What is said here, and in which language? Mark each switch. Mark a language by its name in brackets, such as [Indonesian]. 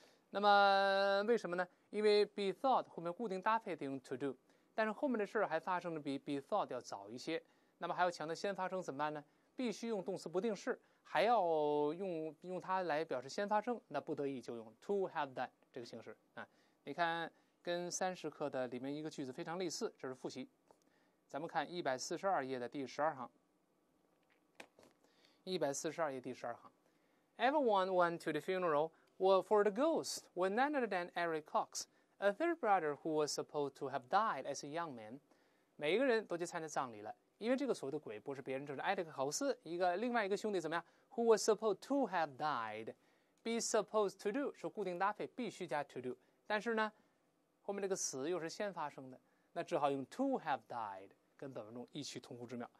[Chinese] 那么为什么呢？因为 be thought 后面固定搭配得用 to do， 但是后面的事还发生的比 be thought 要早一些，那么还要强调先发生怎么办呢？必须用动词不定式，还要用它来表示先发生，那不得已就用 to have done 这个形式啊。你看，跟30课的里面一个句子非常类似，这是复习。咱们看142页的第12行。 142页第12行 [English] ，Everyone went to the funeral for the ghost, none other than Eric Cox, a third brother who was supposed to have died as a young man。 [Chinese] 每一个人都去参加葬礼了。因为这个所谓的鬼不是别人，就是埃里克豪斯一个另外一个兄弟怎么样 ？ [English] Who was supposed to have died, be supposed to do [Chinese] 是固定搭配，必须加 to do。但是呢，后面这个死又是先发生的，那只好用 to have died， 跟本文中异曲同工之妙。